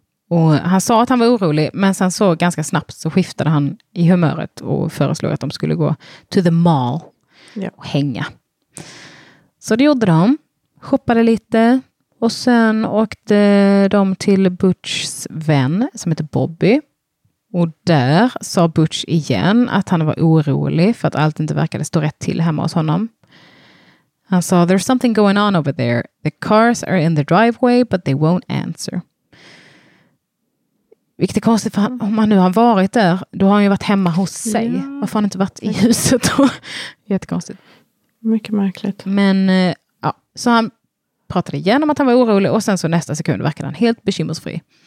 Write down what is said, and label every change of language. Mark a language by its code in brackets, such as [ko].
[sv] Och han sa att han var orolig, men sen så ganska snabbt så skiftade han i humöret och föreslog att de skulle gå [en] to the mall [sv] och hänga. Så det gjorde de. Shoppade lite och sen åkte de till Butchs vän som heter Bobby. Och där sa Butch igen att han var orolig för att allt inte verkade stå rätt till hemma hos honom. Han sa, [en] there's something going on over there. The cars are in the driveway, but they won't answer. [sv] Vilket är konstigt, för om han nu har varit där, då har han ju varit hemma hos sig. Ja. Varför har han inte varit i huset då? Jättekonstigt. Mycket märkligt. Men ja, så han pratade igen om att han var orolig och sen så nästa sekund verkade han helt bekymmersfri.